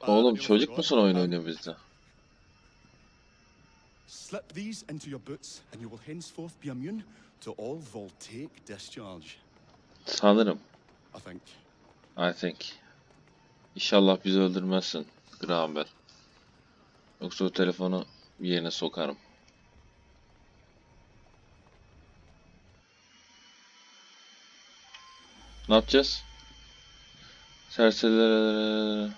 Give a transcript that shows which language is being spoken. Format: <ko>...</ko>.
<tr>Oğlum çocuk musun, oyun oynuyor bizde?</tr> <en>Slip these into your boots and you will henceforth be immune to all voltaic discharge.</en> <tr>Sanırım.</tr> <en>I think.</en> <tr>İnşallah bizi öldürmezsin, Graham Bell. Yoksa o telefonu yerine sokarım. Ne yapacağız? Serserilere...</tr>